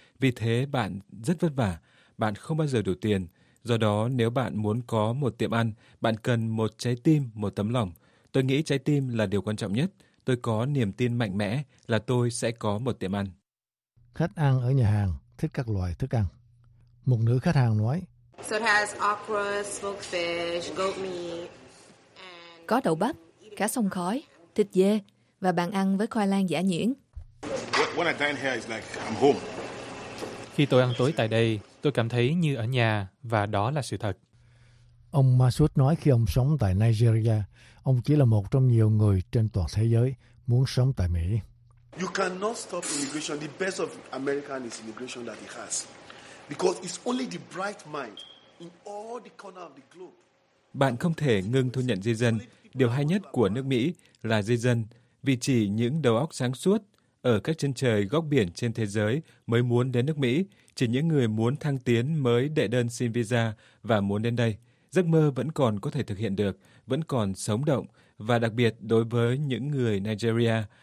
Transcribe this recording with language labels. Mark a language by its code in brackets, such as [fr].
[vi] Vì thế, bạn rất vất vả. Bạn không bao giờ đủ tiền. Do đó, nếu bạn muốn có một tiệm ăn, bạn cần một trái tim, một tấm lòng. Tôi nghĩ trái tim là điều quan trọng nhất. Tôi có niềm tin mạnh mẽ là tôi sẽ có một tiệm ăn. Khách ăn ở nhà hàng thích các loại thức ăn. Một nữ khách hàng nói, [en] so it has okra, smoked fish, goat meat, and... [vi] có đậu bắp, cá sông khói, thịt dê và bạn ăn với khoai lang giã nhuyễn. [en] When I dine here, it's like I'm home. [vi] Khi tôi ăn tối tại đây, tôi cảm thấy như ở nhà, và đó là sự thật. Ông Masud nói khi ông sống tại Nigeria, ông chỉ là một trong nhiều người trên toàn thế giới muốn sống tại Mỹ. [en] You cannot stop immigration. The best of America is immigration that it has. because it's only the bright mind in all the corner of the globe. [vi] Bạn không thể ngừng thu nhận di dân. Điều hay nhất của nước Mỹ là di dân, vì chỉ những đầu óc sáng suốt ở các chân trời góc biển trên thế giới mới muốn đến nước Mỹ. Chỉ những người muốn thăng tiến mới đệ đơn xin visa và muốn đến đây. Giấc mơ vẫn còn có thể thực hiện được, vẫn còn sống động, và đặc biệt đối với những người Nigeria.